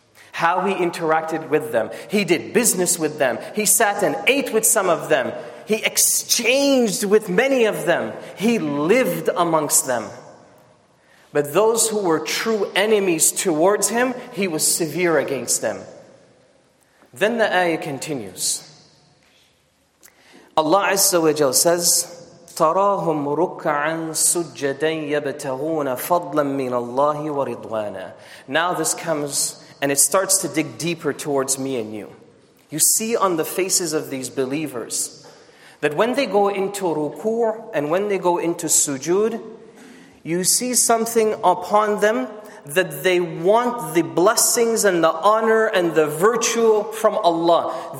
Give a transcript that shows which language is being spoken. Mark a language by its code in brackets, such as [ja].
[en] How he interacted with them. He did business with them. He sat and ate with some of them. He exchanged with many of them. He lived amongst them. But those who were true enemies towards him, he was severe against them. Then the ayah continues. Allah Azza wa Jal says, [ar] تَرَاهُمْ رُكَّعًا سُجَّدًا يَبْتَغُونَ فَضْلًا مِّنَ اللَّهِ وَرِضْوَانًا. [en] Now this comes, and it starts to dig deeper towards me and you. You see on the faces of these believers that when they go into ruku' and when they go into sujood, you see something upon them that they want the blessings and the honor and the virtue from Allah.